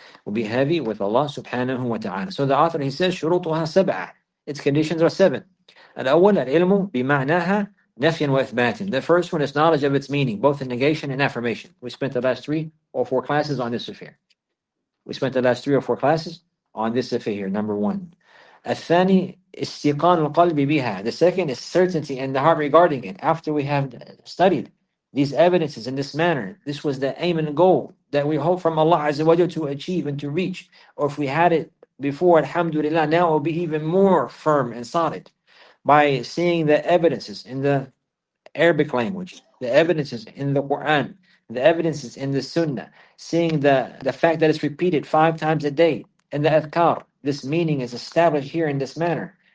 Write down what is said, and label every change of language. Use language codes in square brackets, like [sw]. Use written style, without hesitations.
[en] Will be heavy with Allah subhanahu wa ta'ala. So the author, he says, [ar] shurutuha sab'a. [en] Its conditions are seven. [ar] Al-awwal, al-ilmu, bima'naha, nafyan wa ithbatin. [en] The first one is knowledge of its meaning, both in negation and affirmation. We spent the last three or four classes on this affair. We spent the last three or four classes on this affair here, number one. [ar] Al-thani, استيقان القلب بها. [en] The second is certainty in the heart regarding it. After we have studied these evidences in this manner, this was the aim and goal that we hope from Allah Azza wa Jalla to achieve and to reach. Or if we had it before, alhamdulillah, now it will be even more firm and solid. By seeing the evidences in the Arabic language, the evidences in the Quran, the evidences in the Sunnah, seeing the fact that it's repeated five times a day in the adhkar, this meaning is established here in this manner.